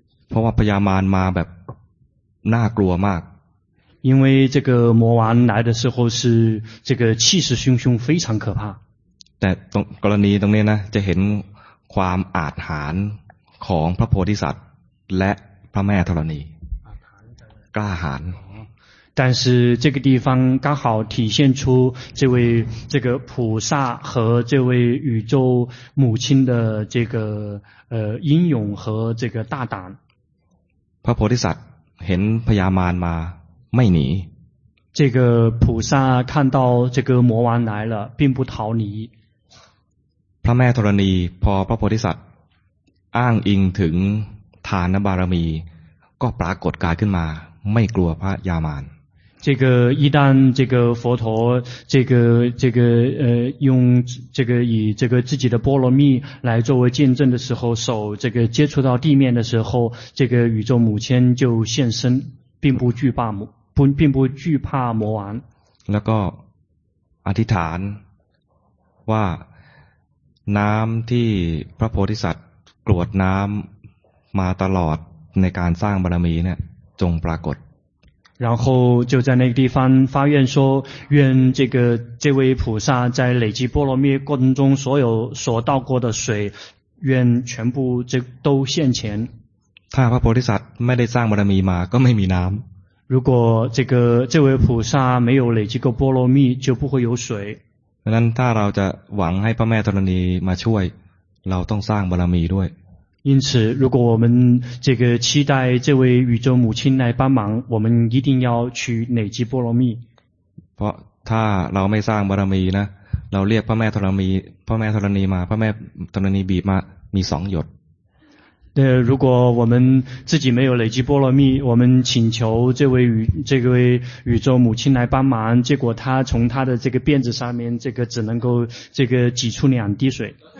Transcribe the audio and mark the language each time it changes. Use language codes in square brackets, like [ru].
[th] เพราะว่าพญามารมาแบบน่ากลัวมาก [zh] 因为这个魔王来的时候是这个气势汹汹非常可怕 [th] แต่กรณีตรงนี้นะจะเห็นความอาถรรพ์ของพระโพธิสัตว์และพระแม่ธรณีกล้าหาญ [zh] 但是这个地方刚好体现出这位这个菩萨和这位宇宙母亲的这个英勇和这个大胆 [th] พระโพธิสัตว์เห็นพญามารมาไม่หนี [zh] 这个菩萨看到这个魔王来了并不逃离 [th] พระแม่ธรณีพอพระโพธิสัตว์อ้างอิงถึงทานบารมีก็ปรากฏกายขึ้นมาไม่กลัวพระยามาร [zh] 这个一旦这个佛陀这个用这个以这个自己的波罗蜜来作为见证的时候手这个接触到地面的时候这个宇宙母亲就现身并不惧怕魔王 [th] แล้วก็อธิษฐานว่าน้ำที่พระโพธิสัตว์กรวดน้ำมาตลอดในการสร้างบารมีเนี่ยจงปรากฏ [zh] 然后就在那个地方发愿说愿这个这位菩萨在累积波罗蜜过程中所有所倒过的水愿全部这都现前 [th] ถ้าพระโพธิสัตว์ไม่ได้สร้างบารมีมาก็ไม่มีน้ำ [zh] 如果这个这位菩萨没有累积过波罗蜜就不会有水 [th] ดังนั้นถ้าเราจะหวังให้พระแม่ธรณีมาช่วยเราต้องสร้างบารมีด้วย [zh] 因此如果我们这个期待这位宇宙母亲来帮忙我们一定要去累积波罗蜜 [th] เพราะถ้าเราไม่สร้างบารมีนะเราเรียกพระแม่ธรณีมาพระแม่ธรณีบีบมามีสองหยด [zh] 那如果我们自己没有累积波罗蜜，我们请求这位宇宙母亲来帮忙，结果她从她的这个辫子上面，这个只能够这个挤出两滴水。